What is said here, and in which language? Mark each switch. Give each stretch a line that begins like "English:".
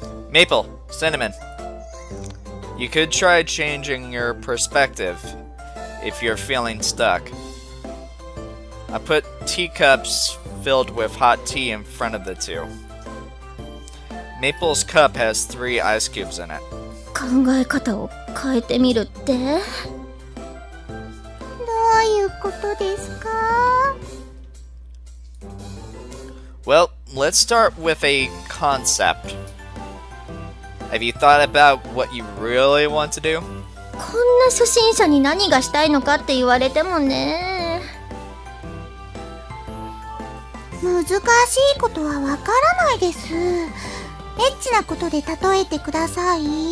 English: Maple, Cinnamon. You could try changing your perspective if you're feeling stuck. I put teacups filled with hot tea in front of the two. Maple's cup has 3 ice cubes in it.
Japanese: 考え方を変えてみるって? どういうことですか?
English: Well, let's start with a concept. Have you thought about what you really want to do?
Japanese: こんな初心者に何がしたいのかって言われてもね。難しいことはわからないです。エッチなことで例えてください。